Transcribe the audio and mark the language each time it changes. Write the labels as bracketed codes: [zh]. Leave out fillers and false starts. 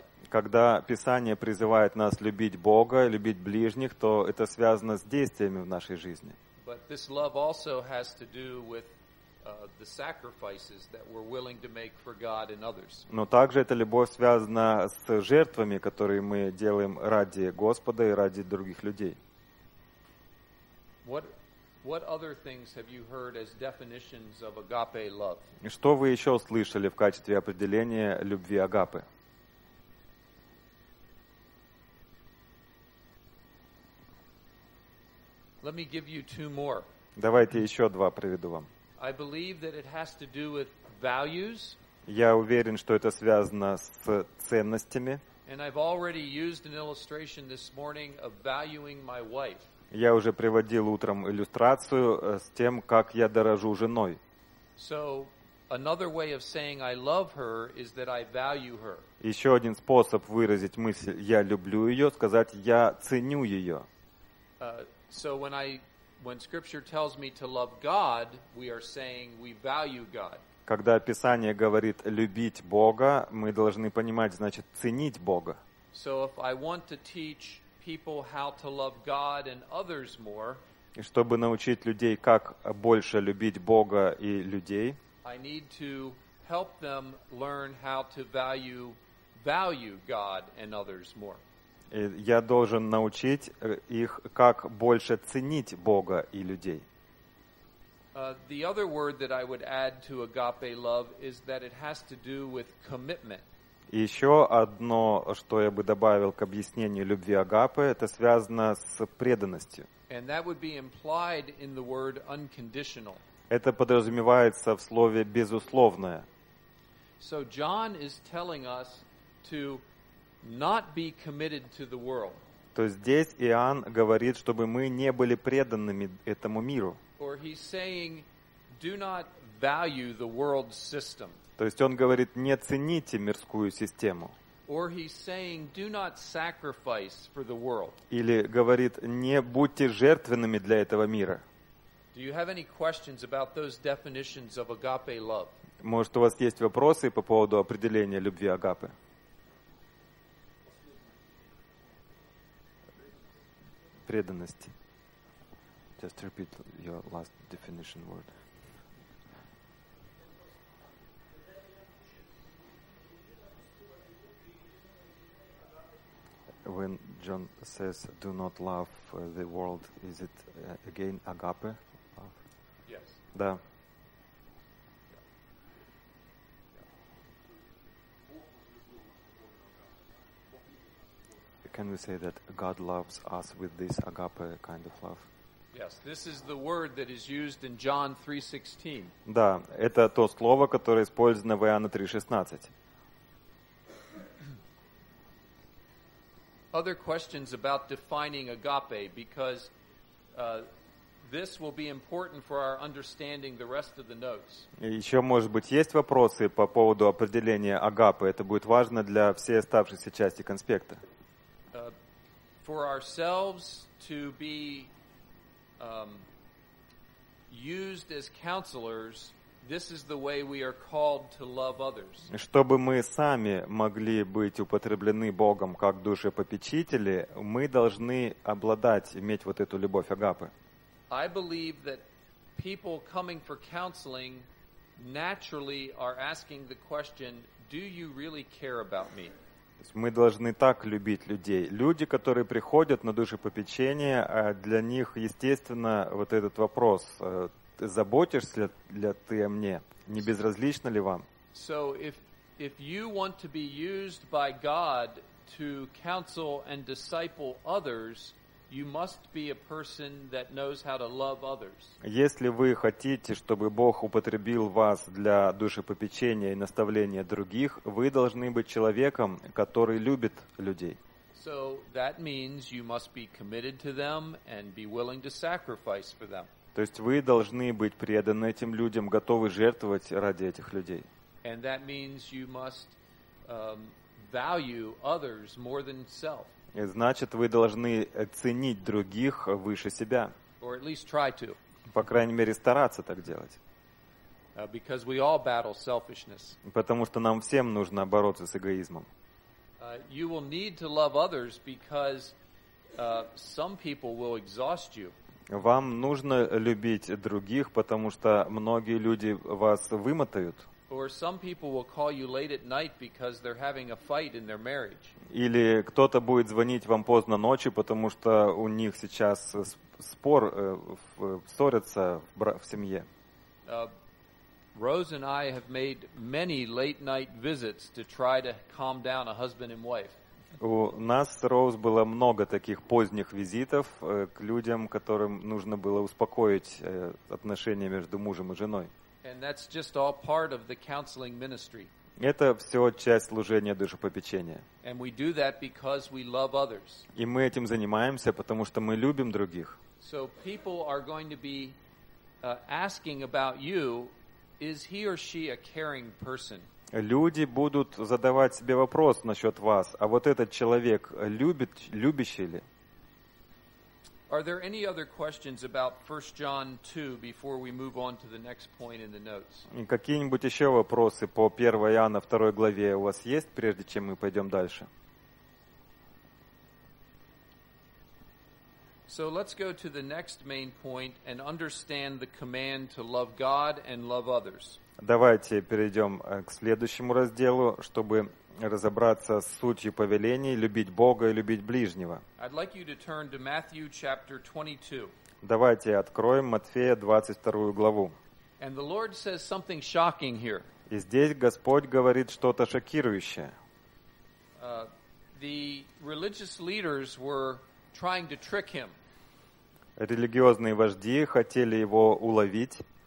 [ru] когда Писание призывает нас любить Бога, любить ближних, то это связано с действиями в нашей жизни. [en] But this love also has to do with the sacrifices that we're willing to make for God and others. [ru] Но также эта любовь связана с жертвами, которые мы делаем ради Господа и ради других людей. [en] What other things have you heard as definitions of agape love? [ru] Что вы еще слышали в качестве определения любви агапы? [en] Let me give you two more. [ru] Давайте еще два приведу вам. [en] I believe that it has to do with values. [ru] Я уверен, что это связано с ценностями. [en] And I've already used an illustration this morning of valuing my wife. [ru] Я уже приводил утром иллюстрацию с тем, как я дорожу женой. [en] So another way of saying I love her is that I value her. [ru] Еще один способ выразить мысль «я люблю ее» — сказать «я ценю ее». [en] So when Scripture tells me to love God, we are saying we value God. [ru] Когда Писание говорит любить Бога, мы должны понимать, значит, ценить Бога. [en] So if I want to teach people how to love God and others more, [ru] и чтобы научить людей, как больше любить Бога и людей, [en] I need to help them learn how to value God and others more. [ru] Я должен научить их, как больше ценить Бога и людей. [en] The other word that I would add to agape love is that it has to do with commitment. [ru] Еще одно, что я бы добавил к объяснению любви агапы, это связано с преданностью. [en] And that would be implied in the word unconditional. [ru] Это подразумевается в слове безусловное. [en] So John is telling us to not be committed to the world. [ru] То есть здесь Иоанн говорит, чтобы мы не были преданными этому миру. [en] Or he's saying, do not value the world system. [ru] То есть он говорит, не цените мирскую систему. [en] Or he's saying, do not sacrifice for the world. [ru] Или говорит, не будьте жертвенными для этого мира. [en] Do you have any questions about those definitions of agape love? [ru] Может, у вас есть вопросы по поводу определения любви агапы? Преданности. [en] Just repeat your last definition word. When John says, do not love the world, is it again agape? Love? Yes. [ru] Да. [en] Can we say that God loves us with this agape kind of love? Yes, this is the word that is used in John 3:16. [ru] Да, это то слово, которое использовано в Иоанна 3:16. [en] Other questions about defining agape, because this will be important for our understanding the rest of the notes. [ru] Еще, может быть, есть вопросы по поводу определения агапы? Это будет важно для всей оставшейся части конспекта. [en] For ourselves to be used as counselors, this is the way we are called to love others. [ru] Чтобы мы сами могли быть употреблены Богом как душепопечители, мы должны обладать, иметь вот эту любовь агапы. [en] I believe that people coming for counseling naturally are asking the question, do you really care about me? [ru] Мы должны так любить людей. Люди, которые приходят на душепопечение, для них, естественно, вот этот вопрос, заботишься ли ты о мне? Не безразлично ли вам? [en] So if you want to be used by God to counsel and disciple others, you must be a person that knows how to love others. [ru] Если вы хотите, чтобы Бог употребил вас для душепопечения и наставления других, вы должны быть человеком, который любит людей. [en] So that means you must be committed to them and be willing to sacrifice for them. [ru] То есть вы должны быть преданы этим людям, готовы жертвовать ради этих людей. [en] And that means you must value others more than self. [ru] Значит, вы должны ценить других выше себя. [en] or at least try to. [ru] По крайней мере, стараться так делать. [en] Because we all battle selfishness. [ru] Потому что нам всем нужно бороться с эгоизмом. [en] You will need to love others because some people will exhaust you. [ru] Вам нужно любить других, потому что многие люди вас вымотают. [en] Or some people will call you late at night because they're having a fight in their marriage. [ru] Или кто-то будет звонить вам поздно ночью, потому что у них сейчас спор, ссорятся в семье. [en] Rose and I have made many late night visits to try to calm down a husband and wife. [ru] У нас с Роуз было много таких поздних визитов к людям, которым нужно было успокоить отношения между мужем и женой. [en] And that's just all part of the counseling ministry. [ru] Это всё часть служения душепопечения. [en] And we do that because we love others. [ru] И мы этим занимаемся, потому что мы любим других. [en] So people are going to be asking about you, is he or she a caring person? [ru] Люди будут задавать себе вопрос насчёт вас, а вот этот человек любит, любящий ли? [en] Are there any other questions about 1 John 2 before we move on to the next point in the notes? [ru] Какие-нибудь ещё вопросы по 1 Иоанна 2 главе у вас есть, прежде чем мы пойдём дальше? [en] So let's go to the next main point and understand the command to love God and love others. [ru] Давайте перейдём к следующему разделу, чтобы разобраться с сутью повелений любить Бога и любить ближнего. [en] I'd like you to turn to Matthew chapter 22. [ru] Давайте откроем Матфея 22 главу. [en] And the Lord says something shocking here. [ru] И здесь Господь говорит что-то шокирующее. [en] The religious leaders were trying to trick him. [ru] Религиозные вожди хотели его уловить.